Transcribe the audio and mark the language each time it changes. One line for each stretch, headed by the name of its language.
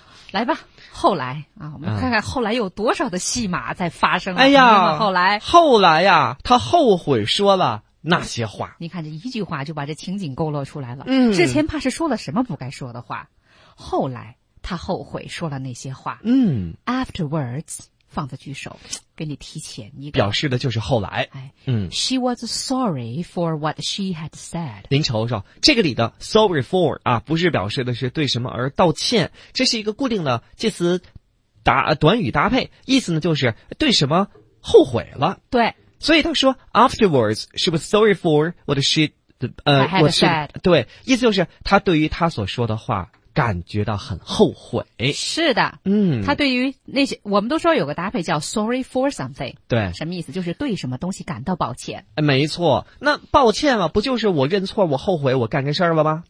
Chinese: 来吧，后来啊，我们看看后来有多少的戏码在发生了。哎呀，后来，后来呀，他后悔说了那些话。你看这一句话就把这情景勾勒出来了。嗯，之前怕是说了什么不该说的话，后来他后悔说了那些话。 Afterwards 放在句首，给你提前一个，表示的就是后来。
English: 哎，She was sorry for what she had said。
Chinese: 您瞅瞅，这个里的 sorry for 啊，不是表示的是对什么而道歉，这是一个固定的介词短语搭配，意思呢就是对什么后悔了。对，所以他说
English: afterwards she was sorry for what she had said。
Chinese: 对，意思就是他对于他所说的话感觉到很后悔。是的，嗯，他对于那些，我们都说有个搭配叫
English: sorry for something，
Chinese: 对，什么意思？就是对什么东西感到抱歉。没错，那抱歉嘛，不就是我认错，我后悔，我干这事儿了吗？